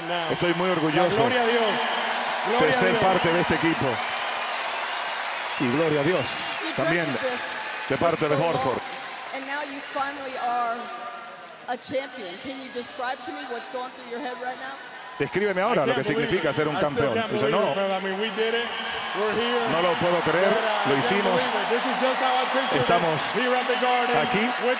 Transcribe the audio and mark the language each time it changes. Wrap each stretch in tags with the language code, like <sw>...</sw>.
<es>Estoy muy orgulloso de ser parte de este equipo. Y gloria a Dios también de parte de Horford.</es> <en>And now you finally are a champion. Can you describe to me what's going through your head right now?</en> <es>Descríbeme ahora lo que significa ser un campeón. Dice, no, no lo puedo creer, lo hicimos. Estamos aquí.</es>